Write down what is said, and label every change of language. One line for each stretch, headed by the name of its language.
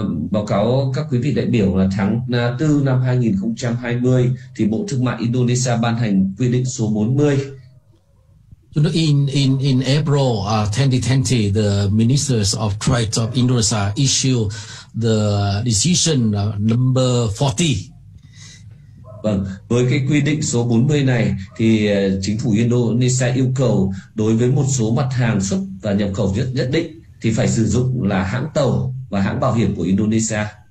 Vietnamese: Báo cáo các quý vị đại biểu là tháng 4 năm 2020 thì Bộ Thương mại Indonesia ban hành quy định số 40.
English: You know, in April 2020, the ministers of trade of Indonesia issued the decision number 40.
Vietnamese: Vâng, với cái quy định số 40 này thì chính phủ Indonesia yêu cầu đối với một số mặt hàng xuất và nhập khẩu nhất định thì phải sử dụng là hãng tàu và hãng bảo hiểm của Indonesia.